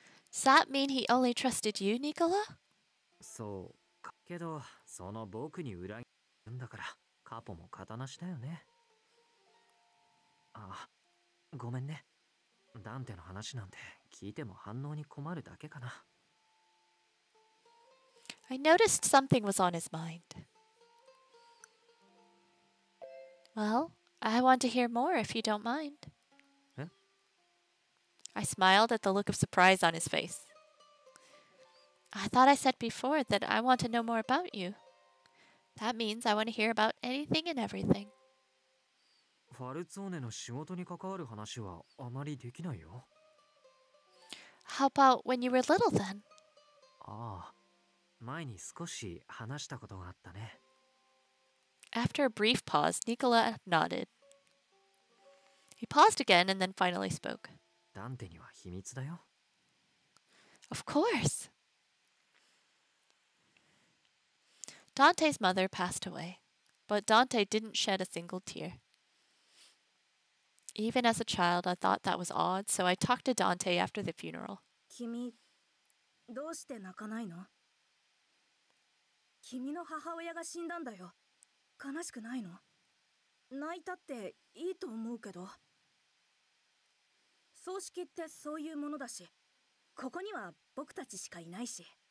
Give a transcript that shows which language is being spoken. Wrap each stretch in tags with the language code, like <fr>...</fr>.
<en>Does that mean he only trusted you, Nicola?</en> <ja>そうか。けど、その僕に裏切るんだから、カポも肩なしだよね。ああ、ごめんね。ダンテの話なんて聞いても反応に困るだけかな。</ja> <en>I noticed something was on his mind. Well, I want to hear more if you don't mind. I smiled at the look of surprise on his face. I thought I said before that I want to know more about you. That means I want to hear about anything and everything.</en> <ja>ファルツォーネの仕事に関わる話はあまりできないよ。</ja> <en>How about when you were little then?</en> <ja>ああ、前に少し話したことがあったね。</ja> <en>After a brief pause, Nicola nodded. He paused again and then finally spoke.</en> <ja>ダンテには秘密だよ。</ja> <en>Of course. Dante's mother passed away, but Dante didn't shed a single tear. Even as a child, I thought that was odd, so I talked to Dante after the funeral.</en> <ja>君、どうして泣かないの？君の母親が死んだんだよ。悲しくないの？泣いたっていいと思うけど。葬式ってそういうものだし、ここには僕たちしかいないし。</ja>